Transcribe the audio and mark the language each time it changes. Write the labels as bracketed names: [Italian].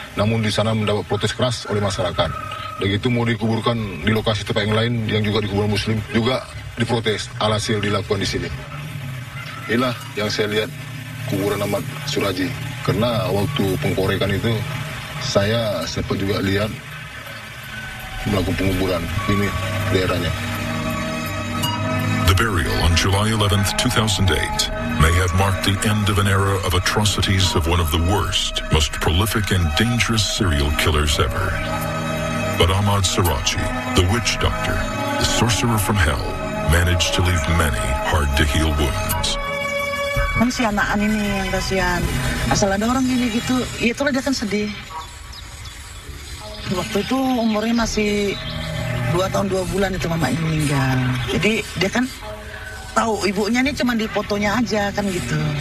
[Indonesian] Namun di sana mendapat protes keras oleh masyarakat. Dan itu mau dikuburkan di lokasi tempat yang lain yang juga dikubur muslim juga diprotes. Alhasil dilakukan di sini. Inilah yang saya lihat kuburan Ahmad Suradji. Karena waktu pengkorekan itu saya sempat juga lihat melakukan penguburan ini daerahnya. [English] The burial on July 11th, 2008 may have marked the end of an era of atrocities of one of the worst, most prolific and dangerous serial killers ever. But Ahmad Suradji, the witch doctor, the sorcerer from hell, managed to leave many hard to heal wounds. [Indonesian] Kan si anak-an ini yang kasihan. Asal ada orang gini gitu, ya itulah dia kan sedih. Waktu itu umurnya masih 2 tahun 2 bulan itu mamanya meninggal. Jadi dia kan tahu ibunya ini cuma di fotonya aja kan gitu.